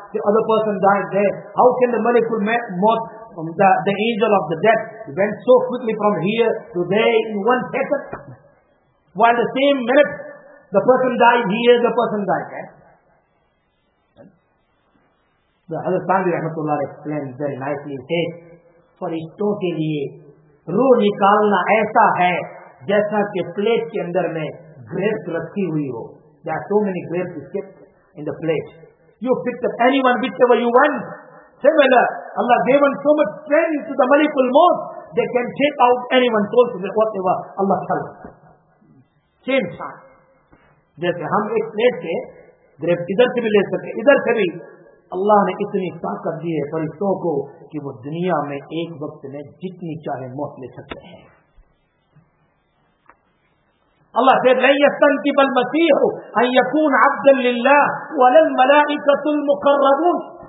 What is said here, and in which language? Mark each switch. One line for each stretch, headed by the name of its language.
English: The other person died there. How can the Malikul Maut, the angel of the death, went so quickly from here to there in one second? While the same minute, the person died here, the person died there. The other Sandi Rahmatullah explained very nicely. He said,
Urdu: فرشتوں کے لیے روح نکالنا ایسا ہے جیسا کہ plate کے اندر میں گریپس رکھی ہوئی ہو.
English: There are so many grapes kept in the plate. You picked up anyone, whichever you want. Similar, Allah gave so much strength to the Malikul Maut, they can take out anyone, told to whatever Allah tells. Same time.
Urdu: جیسے ہم ایک plate کے grip ادھر سے بھی لے سکے ادھر سے بھی. اللہ نے اتنی طاقت دی ہے فرشتوں کو کہ وہ دنیا میں ایک وقت میں جتنی چاہے موت لے سکتے ہیں. اللہ سے
Arabic: لن یستنکب المسیح ان یکون عبدا للہ ولا الملائکۃ المقربون.